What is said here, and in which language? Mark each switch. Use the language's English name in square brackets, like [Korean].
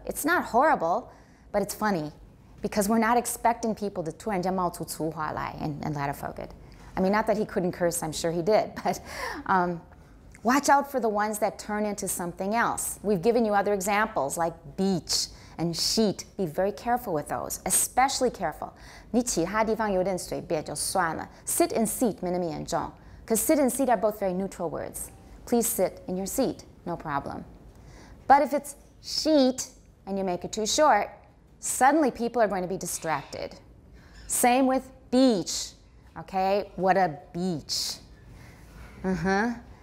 [English] It's not horrible, but it's funny because we're not expecting people to [Chinese] 突然间冒出粗话来 [English] and let it forget. I mean, not that he couldn't curse, I'm sure he did, but watch out for the ones that turn into something else. We've given you other examples like beach, and sheet, be very careful with those, especially careful. [Chinese] 你其他地方有点随便就算了. [English] Sit and seat, [Chinese] 没那么严重. [English] Because sit and seat are both very neutral words. Please sit in your seat, no problem. But if it's sheet and you make it too short, suddenly people are going to be distracted. Same with beach, okay? What a beach. Uh-huh.